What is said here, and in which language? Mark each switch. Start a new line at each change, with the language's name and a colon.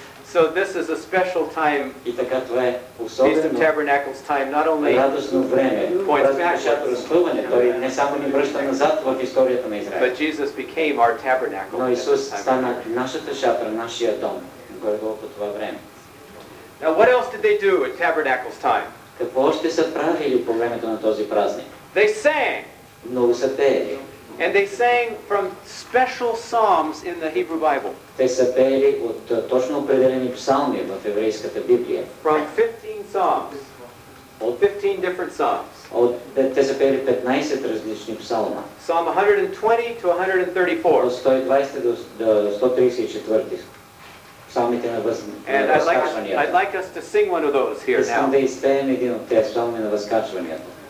English: So this is a special time.
Bulgarian: И така това е особено.
English: Feast of Tabernacles time, not only
Bulgarian: радостно време. Той не само ни връща назад в историята на Израел.
English: But Jesus became our tabernacle.
Bulgarian: Но Исус стана нашата шатра, нашия дом. Горе-долу по това време.
English: Now what else did they do at Tabernacles time?
Bulgarian: Какво още са правили по времето на този празник?
English: They sang.
Bulgarian: Много са пели.
English: And they sang from special psalms in the Hebrew Bible.
Bulgarian: Те са пели от точно определени псалми в еврейската Библия.
English: From 15 psalms.
Bulgarian: От
English: 15 different psalms.
Bulgarian: Те са пели 15 различни псалма.
English: Psalm 120 to 134.
Bulgarian: От 120 до 134.
English: And I'd like us to sing one of those here now.
Bulgarian: Да изпеем един от тези псалми на възкачванията.